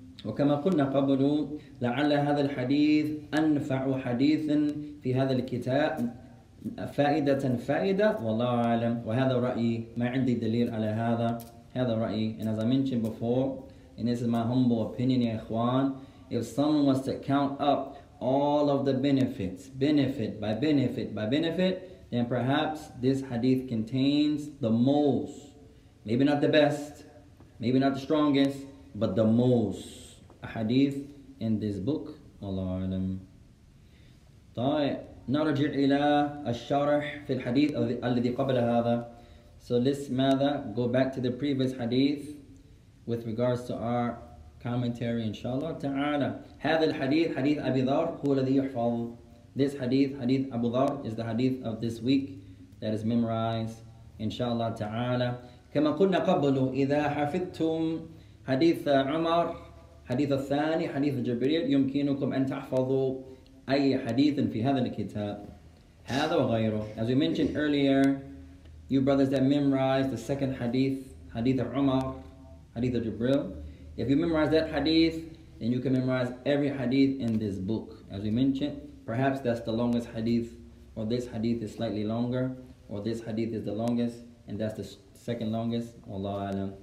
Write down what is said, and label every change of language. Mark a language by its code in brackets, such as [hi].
[ar] وكما قلنا قبل لعل هذا الحديث أنفع حديث في هذا الكتاب فائدة فائدة والله أعلم. وهذا رأيي, ما عندي دليل على هذا. هذا رأيي. [en] And as I mentioned before, and this is my humble opinion, [ar] يا إخوان, [en] if someone was to count up all of the benefits, benefit by benefit by benefit, then perhaps this hadith contains the most, maybe not the best, maybe not the strongest, but the most hadith in this book. [ar] Allah alam. طيب نرجع إلى الشرح في الحديث الذي قبل هذا. [en] So let's ماذا go back to the previous hadith with regards to our commentary, inshallah ta'ala. [ar] هذا الحديث حديث أبي ذر هو الذي يحفظ. [en] This hadith, hadith Abu Dhar, is the hadith of this week that is memorized, inshallah ta'ala. [ar] كما قلنا قبل إذا حفظتم حديث عمر حديث الثاني حديث جبريل يمكنكم أن تحفظوا أي حديث في هذا الكتاب هذا وغيره. [en] As we mentioned earlier, you brothers that memorized the second hadith, hadith of Umar, hadith of Jibril, if you memorize that hadith, And you can memorize every hadith in this book. As we mentioned, perhaps that's the longest hadith, or this hadith is slightly longer, or this hadith is the longest, and that's the second longest. Allah alam.